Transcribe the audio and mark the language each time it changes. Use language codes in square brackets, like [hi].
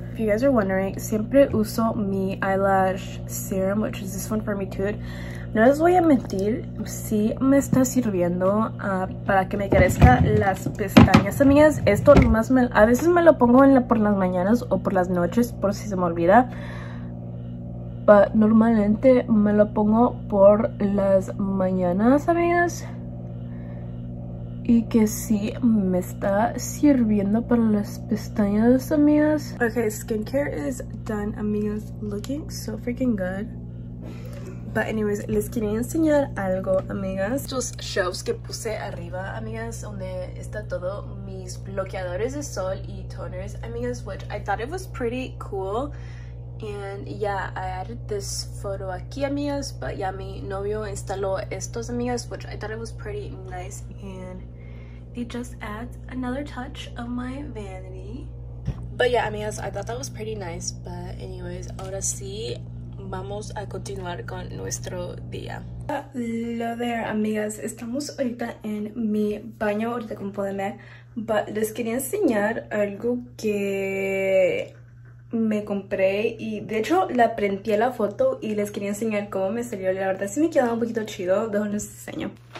[en] If you guys are wondering, [es] siempre uso mi [en] eyelash serum, which is this one from Etude. [es] No les voy a mentir, sí me está sirviendo para que me crezca las pestañas, amigas. Esto nomás a veces me lo pongo por las mañanas o por las noches, por si se me olvida. But normalmente me lo pongo por las mañanas, amigas. Y que sí me está sirviendo para las pestañas, amigas. [en] Okay, skincare is done, amigas. Looking so freaking good. But anyways, [es] les quería enseñar algo, amigas. Estos shelves que puse arriba, amigas, donde está todo mis bloqueadores de sol y toners, amigas, [en] which I thought it was pretty cool. And yeah, I added this photo aquí, amigas, but yeah, [es] mi novio instaló estos, [en] amigas, which I thought it was pretty nice. And it just adds another touch of my vanity. But yeah, amigas, I thought that was pretty nice. But anyways, [es] ahora sí, vamos a continuar con nuestro día. [en] Hello there, amigas. [es] Estamos ahorita en mi baño, ahorita como pueden ver. But les quería enseñar algo que me compré y de hecho la prendí a la foto y les quería enseñar cómo me salió. La verdad sí me quedaba un poquito chido, dejo les enseño.